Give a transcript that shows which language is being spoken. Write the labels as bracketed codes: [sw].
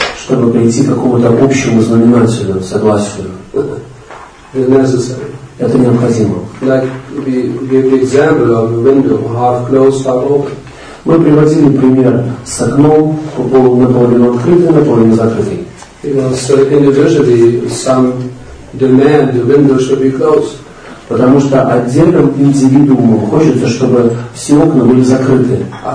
[ru] чтобы прийти к какому-то общему знаменателю, согласию. [en] It's necessary. [ru] Это необходимо. [en] Like we give the example of a window half closed, half open. [ru] Мы приводили пример с окном, наполовину открытым, наполовину закрытым. [en] Because individually some demand the window should be closed. [ru] Потому что отдельным индивидуумам хочется, чтобы все окна были закрыты.